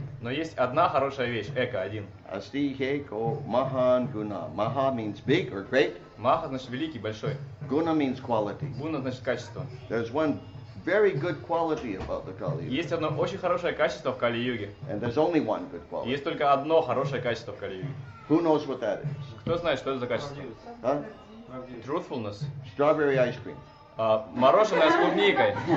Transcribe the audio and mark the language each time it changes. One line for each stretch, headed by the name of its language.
Russian: Но есть одна хорошая вещь. Эка один.
Sanskrit: Asti heko mahan guna.
English: Maha means big or great.
Russian: Maha значит великий, большой.
English: Guna means quality.
Russian: Guna значит качество.
English: There's one very good quality about the Kali Yuga.
Russian: Есть одно очень хорошее качество в Кали Юге.
English: And there's only one good quality.
Russian: Есть только одно хорошее качество в Кали Юге.
English: Who knows what that is?
Russian: Кто знает, что это за качество? Huh?
English: Truthfulness. Strawberry ice cream.
Russian: Мороженое с клубникой.